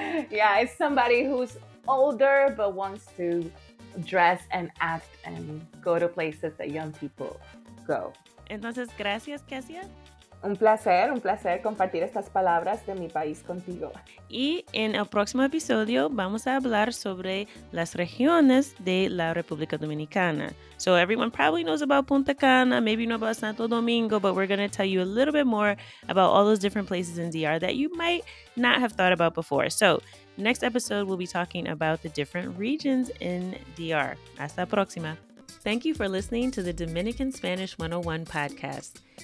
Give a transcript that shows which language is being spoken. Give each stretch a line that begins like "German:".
English: Yeah, it's somebody who's older but wants to dress and act and go to places that young people go.
Spanish: Entonces, gracias, Kasia. un placer compartir estas palabras de mi país contigo. Y en el próximo episodio vamos a hablar sobre las regiones de la República Dominicana.
English: So everyone probably knows about Punta Cana, maybe know about Santo Domingo, but we're going to tell you a little bit more about all those different places in DR that you might not have thought about before. So next episode, we'll be talking about the different regions in DR.
Spanish: Hasta la próxima.
English: Thank you for listening to the Dominican Spanish 101 podcast.